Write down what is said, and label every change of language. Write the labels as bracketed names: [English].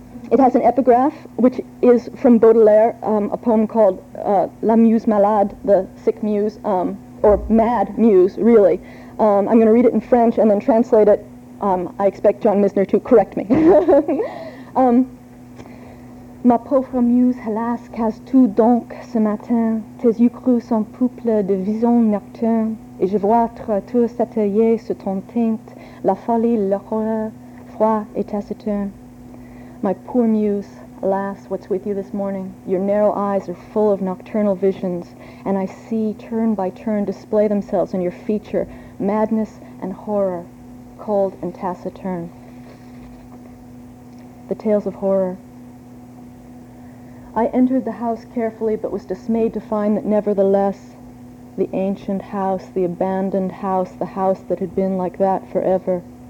[English] It has an epigraph, which is from Baudelaire, a poem called [French] La Muse Malade, [English] the sick muse, or mad muse, really. I'm going to read it in French and then translate it. I expect John Misner to correct me. [French] Ma pauvre muse, hélas, qu'as-tu donc ce matin? Tes yeux creux sont peuples de visions nocturnes, et je vois tout s'atelier sur ton teint, la folie, l'horreur, froid et taciturne. [English] My poor muse, alas, what's with you this morning? Your narrow eyes are full of nocturnal visions, and I see turn by turn display themselves in your feature, madness and horror, cold and taciturn. The Tales of Horror. I entered the house carefully, but was dismayed to find that nevertheless, the ancient house, the abandoned house, the house that had been like that forever.